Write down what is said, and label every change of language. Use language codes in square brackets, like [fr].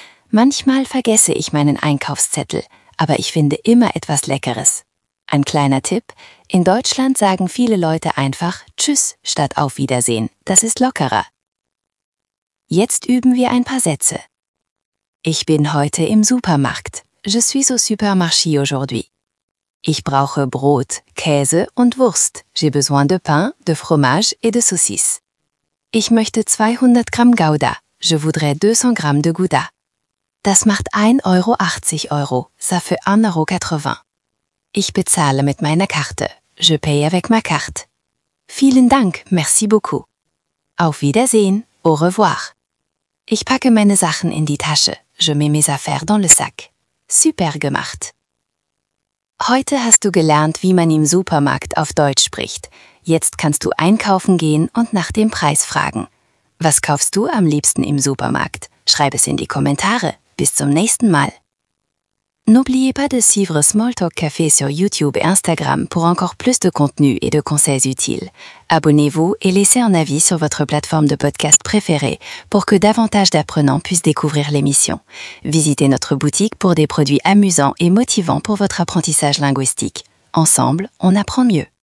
[de] Manchmal vergesse ich meinen Einkaufszettel, aber ich finde immer etwas Leckeres. Ein kleiner Tipp: In Deutschland sagen viele Leute einfach Tschüss statt Auf Wiedersehen. Das ist lockerer. Jetzt üben wir ein paar Sätze. Ich bin heute im Supermarkt. [fr] Je suis au supermarché aujourd'hui. [de] Ich brauche Brot, Käse und Wurst. [fr] J'ai besoin de pain, de fromage et de saucisse. [de] Ich möchte 200 Gramm Gouda. [fr] Je voudrais 200 Gramm de Gouda. [de] Das macht 1,80 Euro. [fr] Ça fait 1,80 Euro. [de] Ich bezahle mit meiner Karte. [fr] Je paye avec ma carte. [de] Vielen Dank. [fr] Merci beaucoup. [de] Auf Wiedersehen. [fr] Au revoir. [de] Ich packe meine Sachen in die Tasche. [fr] Je mets mes affaires dans le sac. [de] Super gemacht. Heute hast du gelernt, wie man im Supermarkt auf Deutsch spricht. Jetzt kannst du einkaufen gehen und nach dem Preis fragen. Was kaufst du am liebsten im Supermarkt? Schreib es in die Kommentare. Bis zum nächsten Mal. [fr] N'oubliez pas de suivre Smalltalk Café sur YouTube et Instagram pour encore plus de contenu et de conseils utiles. Abonnez-vous et laissez un avis sur votre plateforme de podcast préférée pour que davantage d'apprenants puissent découvrir l'émission. Visitez notre boutique pour des produits amusants et motivants pour votre apprentissage linguistique. Ensemble, on apprend mieux.